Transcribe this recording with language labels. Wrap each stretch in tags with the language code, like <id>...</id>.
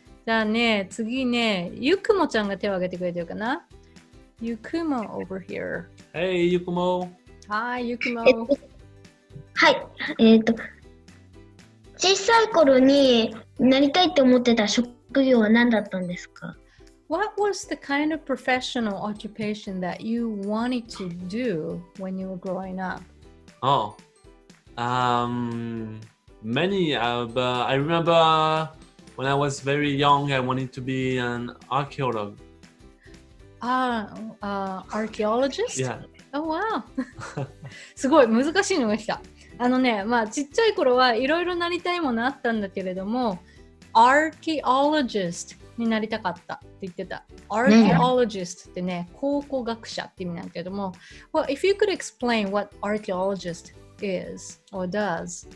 <ja>じゃあね、次ね、ゆくもちゃんが手を挙げてくれてるかな。</ja> <en>ゆくも over here. Hey, ゆくも。 Hi, ゆくも。</en> <ja>はい。小さい頃になりたいと思ってた職業は何だったんですか？</ja> <en>What was the kind of professional occupation that you wanted to do when you were growing up? Oh, many. But I remember when I was very young, I wanted to be an archaeologist. Archaeologist? Yeah. Oh, wow.</en> <ja>すごい難しいのが来た。あのね、まあちっちゃい頃はいろいろなりたいものあったんだけれども、archaeologist になりたかったって言ってた。</ja> <en>archaeologist</en> <ja>ってね、考古学者って意味なんだけども、</ja> <en>well, if you could explain what archaeologist is or does,</en>